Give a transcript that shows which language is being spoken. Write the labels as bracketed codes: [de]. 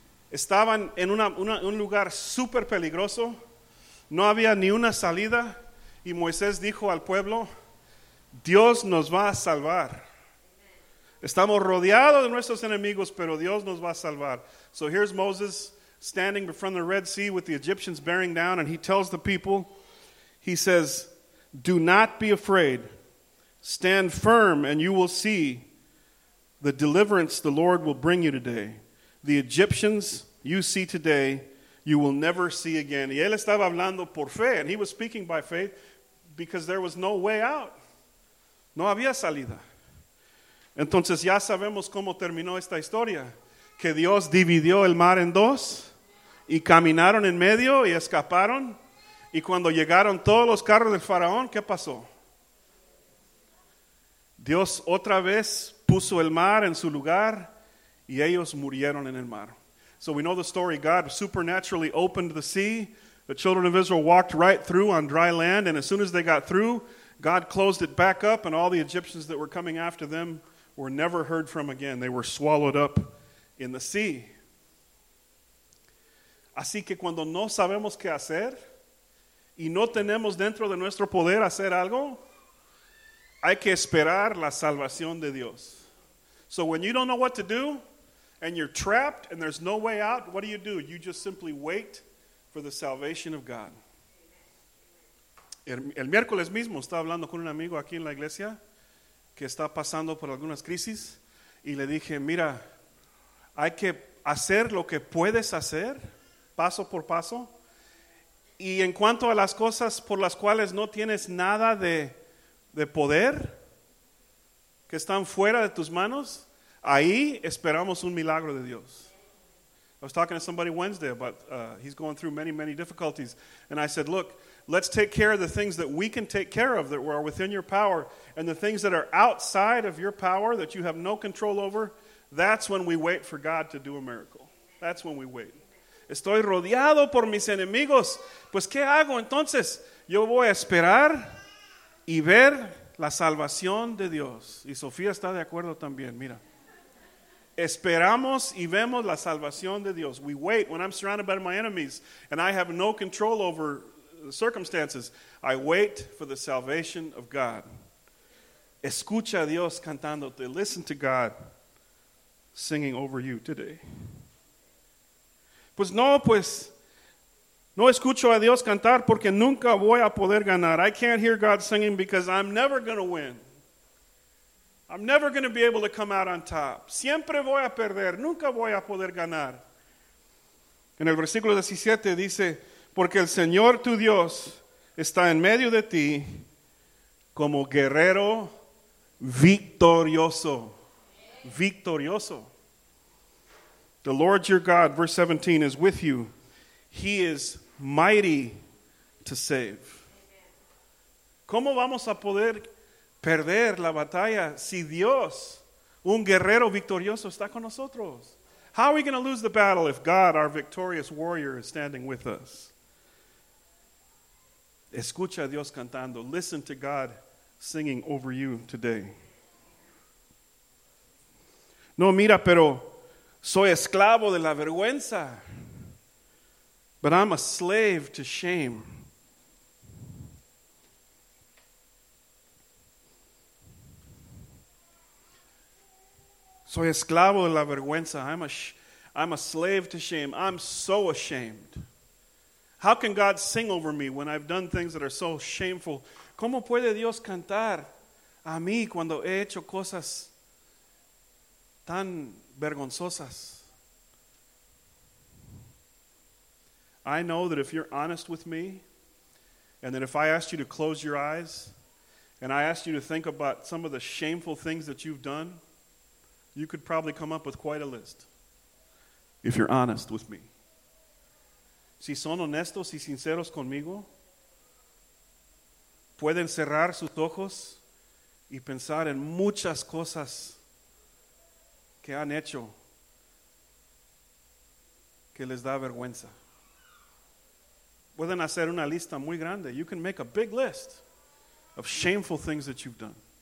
[es] Estaban en un lugar súper peligroso, no había ni una salida. Y Moisés dijo al pueblo, Dios nos va a salvar. Estamos rodeados de nuestros enemigos, pero Dios nos va a salvar. [en] So here's Moses standing before the Red Sea with the Egyptians bearing down, and he tells the people, he says, do not be afraid. Stand firm and you will see the deliverance the Lord will bring you today. The Egyptians you see today, you will never see again. [es] Y él estaba hablando por fe, [en] and he was speaking by faith, because there was no way out. [es] No había salida. Entonces ya sabemos cómo terminó esta historia. Que Dios dividió el mar en dos. Y caminaron en medio y escaparon. Y cuando llegaron todos los carros del faraón, ¿qué pasó? Dios otra vez puso el mar en su lugar. Y ellos murieron en el mar. [en] So we know the story. God supernaturally opened the sea. The children of Israel walked right through on dry land, and as soon as they got through, God closed it back up, and all the Egyptians that were coming after them were never heard from again. They were swallowed up in the sea. [es] Así que cuando no sabemos qué hacer, y no tenemos dentro de nuestro poder hacer algo, hay que esperar la salvación de Dios. [en] So when you don't know what to do, and you're trapped, and there's no way out, what do? You just simply wait for the salvation of God. [es] El miércoles mismo estaba hablando con un amigo aquí en la iglesia que está pasando por algunas crisis y le dije, mira, hay que hacer lo que puedes hacer paso por paso, y en cuanto a las cosas por las cuales no tienes nada de poder, que están fuera de tus manos, ahí esperamos un milagro de Dios. [en] I was talking to somebody Wednesday about he's going through many, many difficulties. And I said, look, let's take care of the things that we can take care of that are within your power. And the things that are outside of your power that you have no control over, that's when we wait for God to do a miracle. That's when we wait. [es] Estoy rodeado por mis enemigos. Pues, ¿qué hago entonces? Yo voy a esperar y ver la salvación de Dios. Y Sofía está de acuerdo también, mira. Esperamos y vemos la salvación de Dios. [en] We wait when I'm surrounded by my enemies and I have no control over the circumstances. I wait for the salvation of God. [es] Escucha a Dios cantándote. [en] Listen to God singing over you today. [es] Pues, no escucho a Dios cantar porque nunca voy a poder ganar. [en] I can't hear God singing because I'm never going to win. I'm never going to be able to come out on top. [es] Siempre voy a perder. Nunca voy a poder ganar. En el versículo 17 dice, porque el Señor tu Dios está en medio de ti como guerrero victorioso. Victorioso. [en] The Lord your God, verse 17, is with you. He is mighty to save. [es] ¿Cómo vamos a poder perder la batalla si Dios, un guerrero victorioso, está con nosotros? [en] How are we going to lose the battle if God, our victorious warrior, is standing with us? [es] Escucha a Dios cantando. [en] Listen to God singing over you today. [es] No, mira, pero soy esclavo de la vergüenza. [en] But I'm a slave to shame. [es] Soy esclavo de la vergüenza. [en] I'm a slave to shame. I'm so ashamed. How can God sing over me when I've done things that are so shameful? [es] ¿Cómo puede Dios cantar a mí cuando he hecho cosas tan vergonzosas? [en] I know that if you're honest with me, and that if I asked you to close your eyes, and I asked you to think about some of the shameful things that you've done, you could probably come up with quite a list, if you're honest with me. [es] Si son honestos y sinceros conmigo, pueden cerrar sus ojos y pensar en muchas cosas que han hecho que les da vergüenza. Pueden hacer una lista muy grande. [en] You can make a big list of shameful things that you've done.